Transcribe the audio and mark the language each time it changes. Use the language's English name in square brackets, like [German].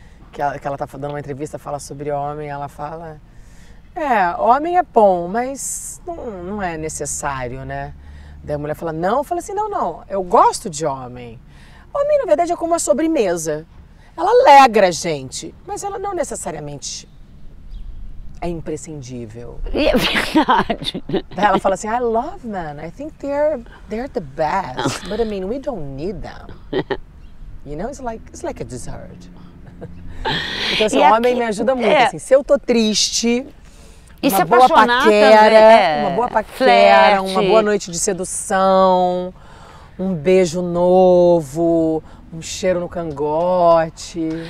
[Portuguese] Que ela tá dando uma entrevista, fala sobre homem, ela fala... É, homem é bom, mas não é necessário, né? Daí a mulher fala, não, fala assim, não, eu gosto de homem. Homem, na verdade, é como uma sobremesa. Ela alegra a gente, mas ela não necessariamente é imprescindível. E é verdade. [English] Daí ela fala assim, I love men, I think they're the best, but I mean, we don't need them. You know, it's like a dessert. [Portuguese] Então, assim, homem me ajuda muito, assim, se eu tô triste... E uma boa paquera, uma boa noite de sedução, um beijo novo, um cheiro no cangote.